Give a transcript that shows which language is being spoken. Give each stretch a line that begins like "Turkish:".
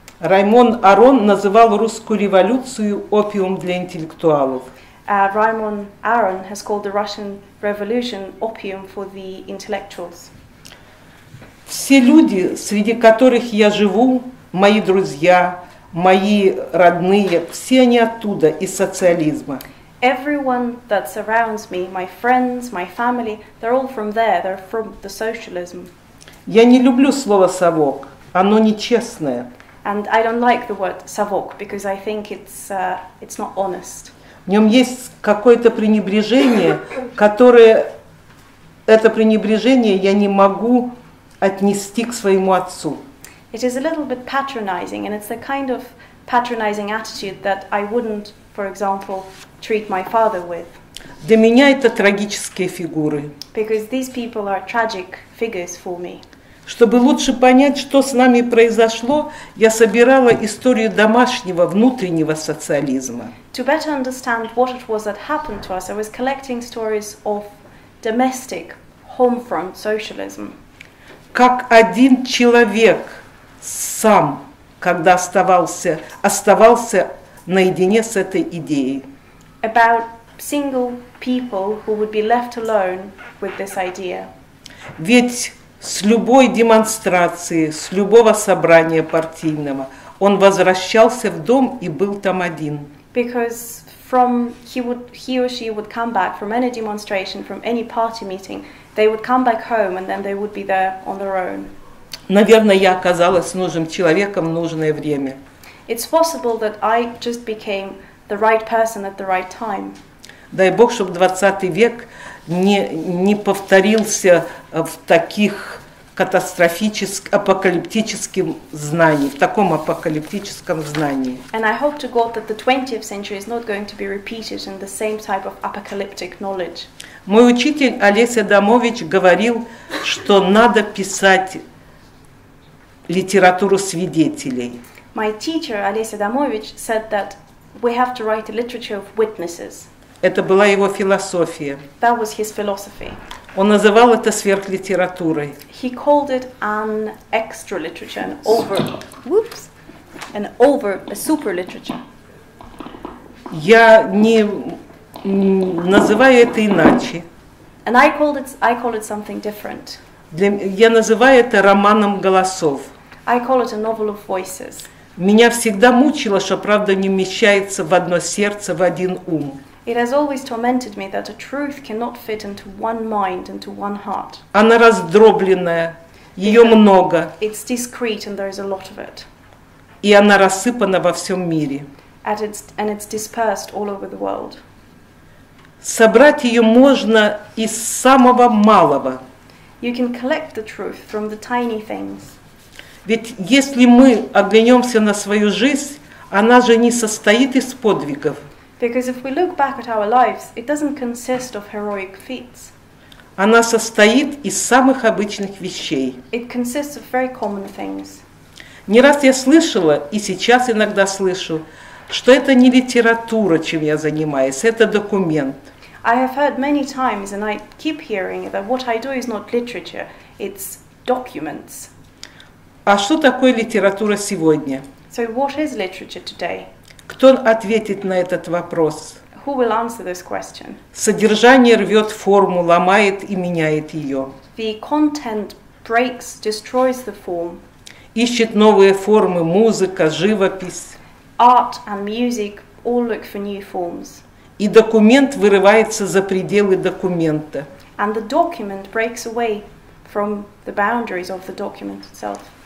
Russian: Раймон Арон называл русскую революцию опиум для интеллектуалов.
English: Раймон Арон has called the Russian Revolution opium for the intellectuals.
Russian: Все люди, среди которых я живу, мои друзья, мои родные, все они оттуда, из социализма.
English: Everyone that surrounds me, my friends, my family, they're all from there, they're from the socialism.
Russian: Я не люблю слово «совок», оно нечестное.
English: And I don't like the word «совок», because I think it's not honest.
Russian: В нем есть какое-то пренебрежение, которое, это пренебрежение я не могу отнести к своему отцу.
English: It is a little bit patronizing, and it's the kind of patronizing attitude that I wouldn't, for example, treat my father with.
Russian: Для меня это трагические фигуры.
English: Because these people are tragic figures for me.
Russian: Чтобы лучше понять, что с нами произошло, я собирала историю домашнего, внутреннего социализма.
English: To better understand what it was that happened to us, I was collecting stories of domestic, home-front socialism.
Russian: Как один человек сам, когда оставался наедине с этой идеей.
English: About single people who would be left alone with this idea.
Russian: Ведь с любой демонстрации, с любого собрания партийного, он возвращался в дом и был там один.
English: Because from he or she would come back from any demonstration, from any party meeting, they would come back home and then they would be there on their own.
Russian: Наверное, я оказалась нужным человеком в нужное время.
English: It's possible that I just became the right person at the right time.
Russian: Дай Бог, чтобы 20 век не повторился в таких катастрофических, апокалиптических знаниях, в таком апокалиптическом знании.
English: And I hope to God that the 20th century is not going to be repeated in the same type of apocalyptic knowledge.
Russian: Мой учитель Олеся Домович говорил, что надо писать литературу свидетелей.
English: My teacher, Олеся Домович, said that we have to write a literature of witnesses.
Russian: Это была его философия.
English: That was his philosophy.
Russian: Он называл это сверхлитературой.
English: He called it an extra literature, an over, whoops, an over, a super literature.
Russian: Я не называю это иначе.
English: And I call it something different.
Russian: Я называю это романом голосов.
English: I call it a novel of voices.
Russian: Меня всегда мучило, что правда не вмещается в одно сердце, в один ум.
English: It has always tormented me that a truth cannot fit into one mind, into one heart.
Russian: Она раздробленная, ее много.
English: It's discrete and there is a lot of it.
Russian: И она рассыпана во всем мире.
English: And it's dispersed all over the world.
Russian: Собрать ее можно из самого малого.
English: You can collect the truth from the tiny things.
Russian: Ведь если мы оглянемся на свою жизнь, она же не состоит из подвигов.
English: Because if we look back at our lives, it doesn't consist of heroic feats.
Russian: Она состоит из самых обычных вещей.
English: It consists of very common things.
Russian: Не раз я слышала, и сейчас иногда слышу, что это не литература, чем я занимаюсь, это документ.
English: I have heard many times, and I keep hearing that what I do is not literature, it's documents.
Russian: А что такое литература сегодня?
English: So what is literature today?
Russian: Кто ответит на этот вопрос?
English: Who will answer this question?
Russian: Содержание рвет форму, ломает и меняет ее.
English: The content breaks, destroys the form.
Russian: Ищет новые формы, музыка, живопись.
English: Art and music all look for new forms.
Russian: И документ вырывается за пределы документа.
English: And the document breaks away from the boundaries of the document itself.